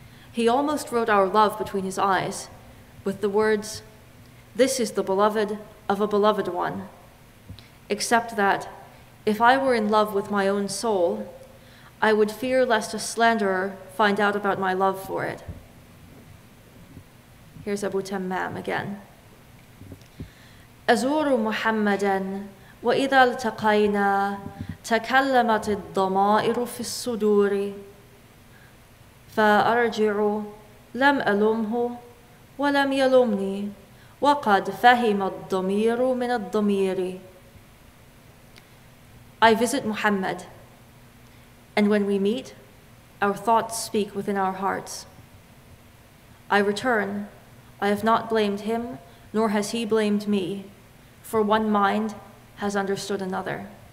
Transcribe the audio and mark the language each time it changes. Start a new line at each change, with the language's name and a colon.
English: He almost wrote our love between his eyes with the words, "This is the beloved of a beloved one." Except that, if I were in love with my own soul, I would fear lest a slanderer find out about my love for it. Here's Abu Tammam again.
Arabic: أزور محمدا وإذا التقينا تكلمت الضمائر في الصدور فأرجع لم ألومه ولم يلومني وقد فهم الضمير من الضمير.
English: I visit Muhammad, and when we meet, our thoughts speak within our hearts. I return, I have not blamed him, nor has he blamed me, for one mind has understood another.